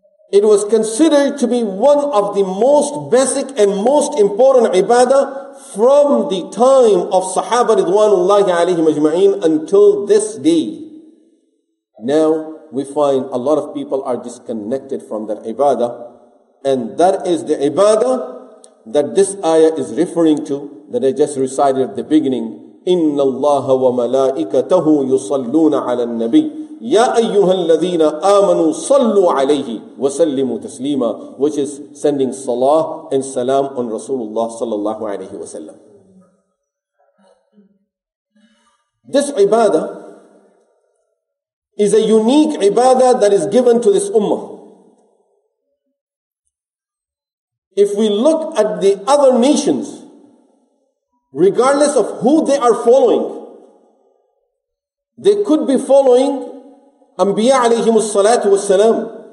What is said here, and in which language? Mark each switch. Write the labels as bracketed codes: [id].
[en] It was considered to be one of the most basic and most important ibadah from the time of Sahaba Ridwanullahi alayhi majma'in until this day. Now we find a lot of people are disconnected from that ibadah. And that is the ibadah that this ayah is referring to that I just recited at the beginning. [ar] إِنَّ اللَّهَ وَمَلَائِكَتَهُ يُصَلُّونَ عَلَى النَّبِيِّ يَا أَيُّهَا الَّذِينَ آمَنُوا صَلُّوا عَلَيْهِ وَسَلِّمُوا تَسْلِيمًا, [en] which is sending salah and salam on Rasulullah sallallahu alayhi wa sallam. This ibadah is a unique ibadah that is given to this ummah. If we look at the other nations, regardless of who they are following, they could be following Anbiya alayhi salatu was salam,